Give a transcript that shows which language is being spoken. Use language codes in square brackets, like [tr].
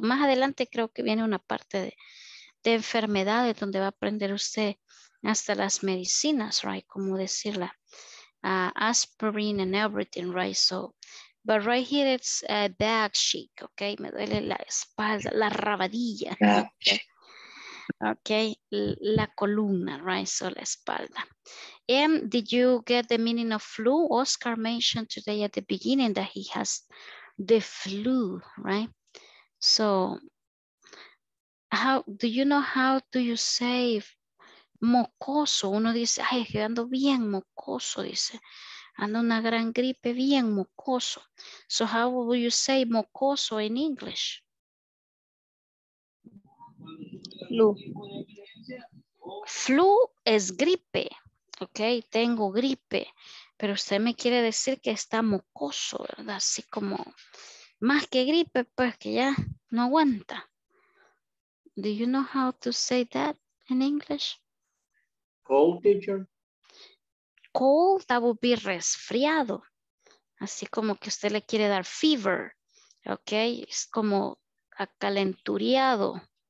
[es] Más adelante creo que viene una parte de enfermedades donde va a aprender usted hasta las medicinas, right? Como decirla. [en] Aspirin and everything, right? So, but right here it's a back shake, okay? [es] Me duele la espalda, la rabadilla. Okay, la columna, right? So, la espalda. [en] And did you get the meaning of flu? Oscar mentioned today at the beginning that he has the flu, right? So, how do you know how do you say mocoso? [es] Uno dice, ay, que ando bien mocoso, dice. Ando una gran gripe, bien mocoso. [en] So, how would you say mocoso in English? Flu. [es] Flu es gripe. Okay, tengo gripe. Pero usted me quiere decir que está mocoso, ¿verdad? Así como, más que gripe, pues que ya no aguanta. [en] Do you know how to say that in English? Cold, teacher. Cold, that would be [es] resfriado. Así como que usted le quiere dar fever, okay? Es como acalenturiado.